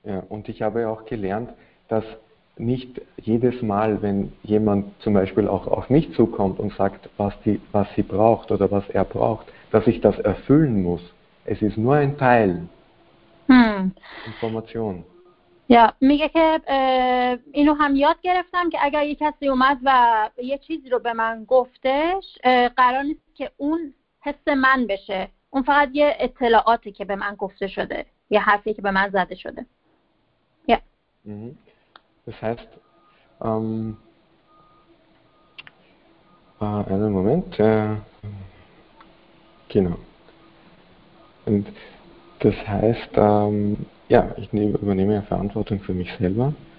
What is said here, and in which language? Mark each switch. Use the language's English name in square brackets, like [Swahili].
[German] Und ich habe auch gelernt, dass nicht jedes Mal, wenn jemand zum Beispiel auch auf mich zukommt und sagt, was sie braucht oder was er braucht, dass ich das erfüllen muss. Es ist nur ein Teil. Information. [Persian] Ja, میگه که اینو هم یاد گرفتم که اگر یک کسی اومد و یه چیزی رو به من گفتش قرار نیست که اون حس من بشه. اون فقط یه اطلاعاتی که به من گفته شده. یه حرفی که به من زده شده. Yeah. [German] Das heißt, einen Moment, genau. Und das heißt, ja, ich übernehme ja Verantwortung für mich selber.